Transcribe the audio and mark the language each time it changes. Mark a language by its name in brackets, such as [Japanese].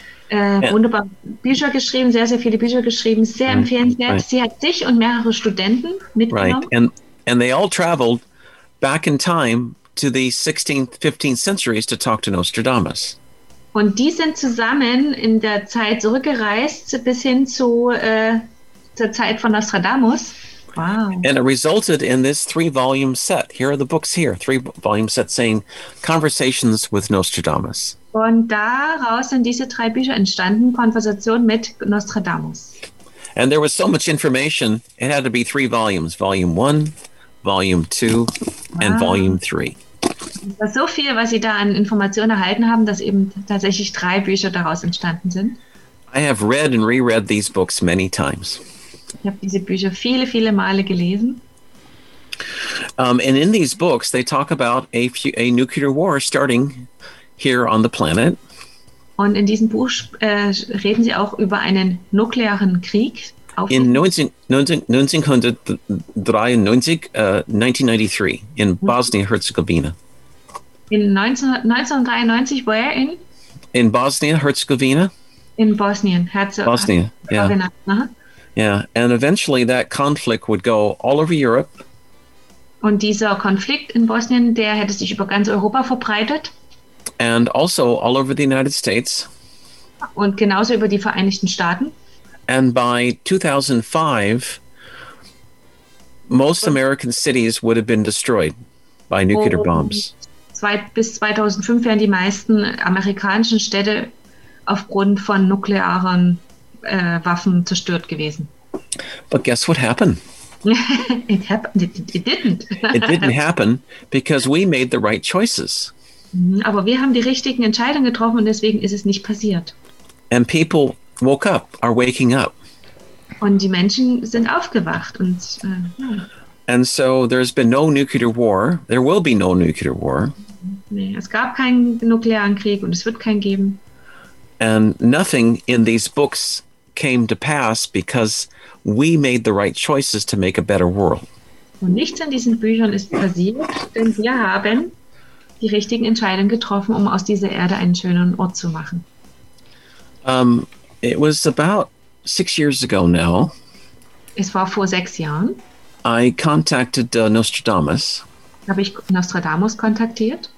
[German] Wunderbar Bücher geschrieben, sehr, sehr viele Bücher geschrieben, sehr empfehlenswert. Right. Sie hat sich und mehrere Studenten mitgenommen. [English] Right. And they all traveled back in time to the 16th, 15th centuries to talk to Nostradamus. [German] Und die sind zusammen in der Zeit zurückgereist bis hin zu zur Zeit von Nostradamus. Wow. [English] And it resulted in this three-volume set. Here are the books here. Three-volume set saying Conversations with Nostradamus. [German] Und daraus sind diese drei Bücher entstanden, Konversation mit Nostradamus. [English] And there was so much information, it had to be three volumes. Volume 1, Volume 2, and Volume 3. [German] Es war so viel, was Sie da an Informationen erhalten haben, dass eben tatsächlich drei Bücher daraus entstanden sind. [English] I have read and reread these books many times. [German] Ich habe diese Bücher viele, viele Male gelesen. [English] And in these books, they talk about a nuclear war starting here on the planet. [German] Und in diesem Buch reden sie auch über einen nuklearen Krieg. [English] In 1993, in Bosnia-Herzegovina. In 1993, where in? In Bosnia-Herzegovina. [German] In Bosnien-Herzegovina. [English] Bosnia, yeah. Yeah, and eventually that conflict would go all over Europe. [German] Und dieser Konflikt in Bosnien, der hätte sich über ganz Europa verbreitet. [English] And also all over the United States. [German] Und genauso über die Vereinigten Staaten. [English] And by 2005, most American cities would have been destroyed by nuclear bombs. [German] Bis 2005 wären die meisten amerikanischen Städte aufgrund von nuklearen Waffen zerstört gewesen. [English] But guess what happened? It happened. It didn't. It didn't happen because we made the right choices. [German] Aber wir haben die richtigen Entscheidungen getroffen und deswegen ist es nicht passiert. [English] And people woke up, are waking up. [German] Und die Menschen sind aufgewacht. Und, [English] And so there's been no nuclear war. There will be no nuclear war. [German] Nee, es gab keinen nuklearen Krieg und es wird keinen geben. [English] And nothing in these books came to pass because we made the right choices to make a better world. [German] Und nichts in diesen Büchern ist passiert, denn wir haben die richtigen Entscheidungen getroffen, um aus dieser Erde einen schöneren Ort zu machen. [English] It was about 6 years ago now. [German] Es war vor 6 Jahren. [English] I contacted Nostradamus. [German] Habe ich Nostradamus kontaktiert?